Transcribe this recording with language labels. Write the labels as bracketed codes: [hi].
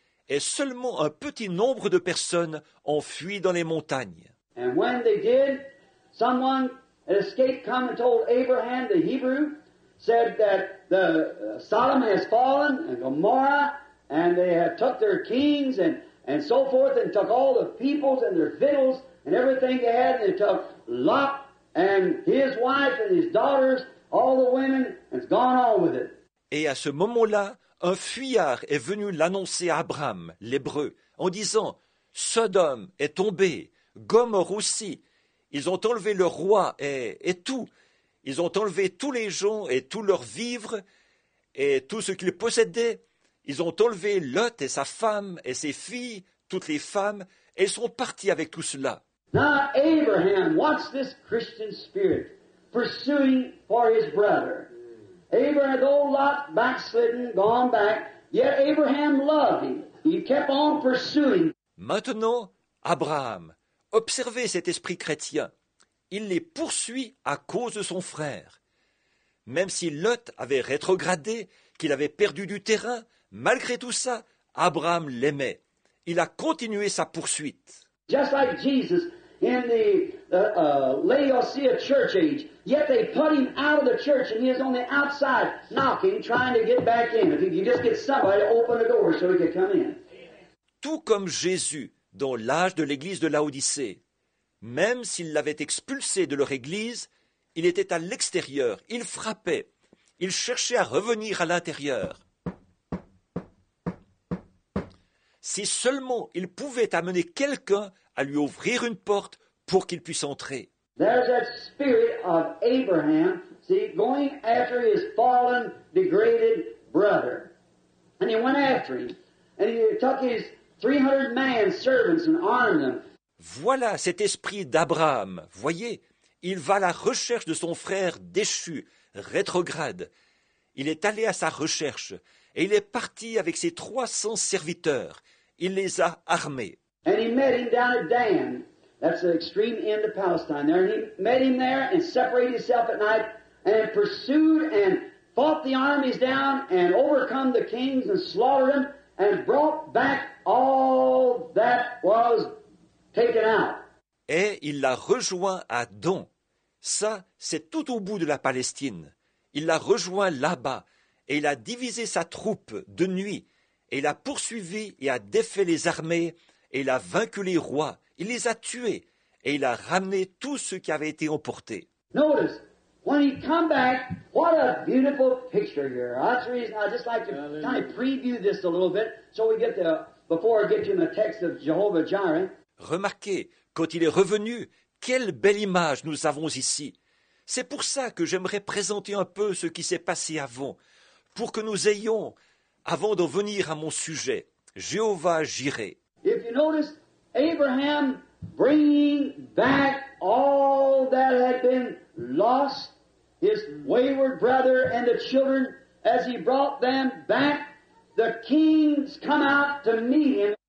[fr] Et seulement un petit nombre de personnes ont fui dans les montagnes. [en] And when they did, someone had escaped, come and told Abraham, the Hebrew, said that the Sodom has fallen, and Gomorrah, and they had took their kings and so forth, and took all the peoples and their victuals, and everything they had, and they took Lot and his wife and his daughters, all the women, and it's gone on with it. [fr] Et à ce moment-là, un fuyard est venu l'annoncer à Abraham, l'Hébreu, en disant, « Sodome est tombé, Gomorrhe aussi. Ils ont enlevé le roi et tout. Ils ont enlevé tous les gens et tous leurs vivres et tout ce qu'ils possédaient. Ils ont enlevé Lot et sa femme et ses filles, toutes les femmes, et sont partis avec tout cela. » [en] Now, Abraham, watch this Christian spirit pursuing for his brother. Abraham, though Lot backslidden, gone back, yet Abraham loved him. He kept on pursuing. [fr] Maintenant, Abraham, observez cet esprit chrétien. Il les poursuit à cause de son frère. Même si Lot avait rétrogradé, qu'il avait perdu du terrain, malgré tout ça, Abraham l'aimait. Il a continué sa poursuite. [en] Just like Jesus in the Laodicea church age, yet they put him out of the church and he is on the outside knocking, trying to get back in. If he could just get somebody to open the door so he could come in. [fr] Tout comme Jésus dans l'âge de l'église de Laodicée, même s'il l'avait expulsé de leur église, il était à l'extérieur, il frappait, il cherchait à revenir à l'intérieur. Si seulement il pouvait amener quelqu'un à lui ouvrir une porte pour qu'il puisse entrer. [en] There's that spirit of Abraham, see, going after his fallen, degraded brother. And he went after him. And he took his 300 man servants and armed them. [fr] Voilà cet esprit d'Abraham. Voyez, il va à la recherche de son frère déchu, rétrograde. Il est allé à sa recherche et il est parti avec ses 300 serviteurs. Il les a armés. [en] And he met him down at Dan. That's the extreme end of Palestine there. And he met him there and separated himself at night and pursued and fought the armies down and overcome the kings and slaughtered them and brought back all that was taken out. [fr] Et il l'a rejoint à Don. Ça, c'est tout au bout de la Palestine. Il l'a rejoint là-bas et il a divisé sa troupe de nuit et il a poursuivi et a défait les armées et il a vaincu les rois. Il les a tués et il a ramené tout ce qui avait été emporté. [en] Notice, when he come back, what a beautiful picture here. That's the reason I just like to kind of preview this a little bit so we get the before I get to the text of Jehovah Jireh. [fr] Remarquez, quand il est revenu, quelle belle image nous avons ici. C'est pour ça que j'aimerais présenter un peu ce qui s'est passé avant, pour que nous ayons, avant d'en venir à mon sujet, Jéhovah Jireh. [en] If you notice, Abraham bringing back all that had been lost his wayward brother and the children as he brought them back, the kings come out to meet him.